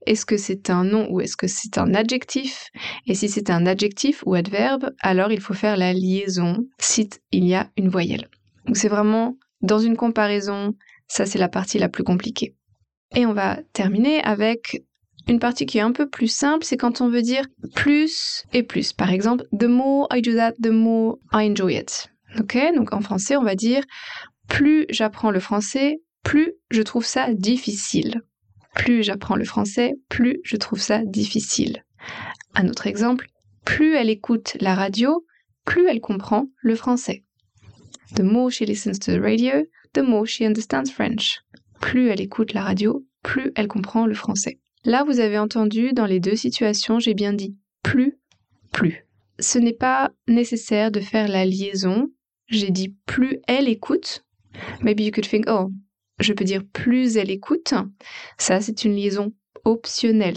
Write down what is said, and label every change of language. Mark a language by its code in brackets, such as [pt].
[fr] Est-ce que c'est un nom ou est-ce que c'est un adjectif? Et si c'est un adjectif ou adverbe, alors il faut faire la liaison si il y a une voyelle. Donc c'est vraiment dans une comparaison, ça c'est la partie la plus compliquée. Et on va terminer avec une partie qui est un peu plus simple, c'est quand on veut dire plus et plus. Par exemple, [en] the more I do that, the more I enjoy it. [fr] Ok, donc en français, on va dire plus j'apprends le français, plus je trouve ça difficile. Plus j'apprends le français, plus je trouve ça difficile. Un autre exemple, plus elle écoute la radio, plus elle comprend le français. [en] The more she listens to the radio, the more she understands French. [fr] Plus elle écoute la radio, plus elle comprend le français. Là, vous avez entendu, dans les deux situations, j'ai bien dit plus, plus. Ce n'est pas nécessaire de faire la liaison. J'ai dit plus elle écoute. [en] Maybe you could think, oh, [fr] je peux dire plus elle écoute. Ça, c'est une liaison optionnelle.